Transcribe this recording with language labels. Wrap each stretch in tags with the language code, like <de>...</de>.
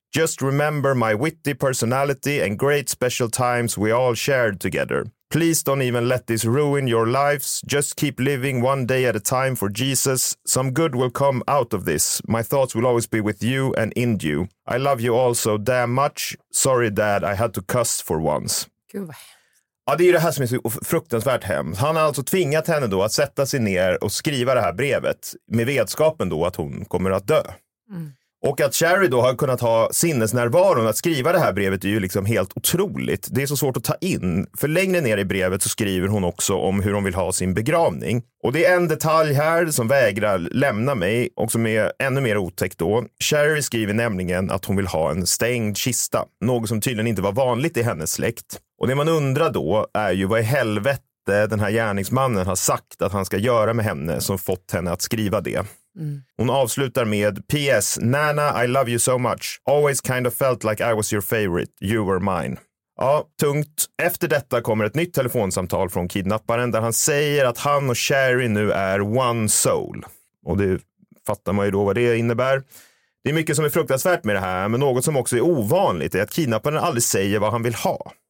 <en>Just remember my witty personality and great special times we all shared together. Please don't even let this ruin your lives. Just keep living one day at a time for Jesus. Some good will come out of this. My thoughts will always be with you and in you. I love you all so damn much. Sorry, dad, I had to cuss for once.</en> <sv>Ja, det är ju det här som är så fruktansvärt hemskt. Han har alltså tvingat henne då att sätta sig ner och skriva det här brevet med vetskapen då att hon kommer att dö. Mm. Och att Cherry då har kunnat ha sinnesnärvaron att skriva det här brevet är ju liksom helt otroligt. Det är så svårt att ta in. För längre ner i brevet så skriver hon också om hur hon vill ha sin begravning. Och det är en detalj här som vägrar lämna mig och som är ännu mer otäckt då. Cherry skriver nämligen att hon vill ha en stängd kista. Något som tydligen inte var vanligt i hennes släkt. Och det man undrar då är ju vad i helvete den här gärningsmannen har sagt att han ska göra med henne som fått henne att skriva det. Mm. Hon avslutar med</sv> <en>P.S. Nana, I love you so much. Always kind of felt like I was your favorite. You were mine.</en> <sv>Ja, tungt. Efter detta kommer ett nytt telefonsamtal från kidnapparen där han säger att han och Cherry nu är</sv> <en>one soul.</en> <sv>Och det fattar man ju då vad det innebär. Det är mycket som är fruktansvärt med det här, men något som också är ovanligt är att kidnapparen aldrig säger vad han vill ha.</sv>